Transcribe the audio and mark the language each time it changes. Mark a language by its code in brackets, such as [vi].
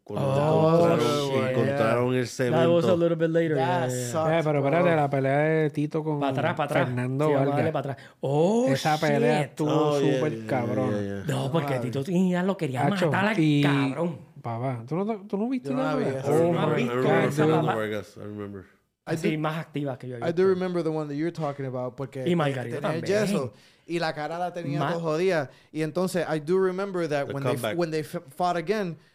[es] Encontraron el cemento. [en] That was a little bit later. That sucked, [es] yeah, pero espérate, la pelea de Tito con Fernando Vargas. Sí, para atrás. Oh, esa pelea estuvo súper cabrón. No, porque Tito ya lo quería matar al cabrón. Papá, ¿tú no viste nada? [en] I remember. I do remember the one that you're talking about, [es] porque y Margarito tenía también. Yeso, y la cara la tenía todo jodida. Y entonces, [en] I do remember that the when they fought again,